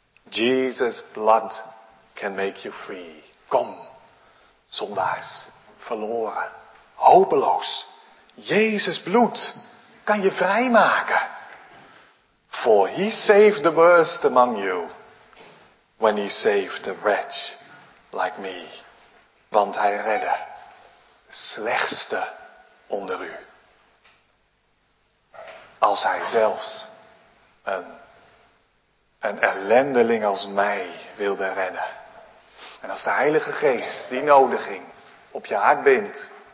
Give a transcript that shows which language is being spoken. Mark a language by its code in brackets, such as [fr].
[en] Jesus' blood can make you free. [nl] Kom, zondaars, verloren, hopeloos. Jezus' bloed kan je vrijmaken. [en] For he saved the worst among you. When he saved a wretch like me. [nl] Want hij redde de slechtste onder u. Als hij zelfs een ellendeling als mij wilde redden. En als de Heilige Geest die nodiging op je hart bindt.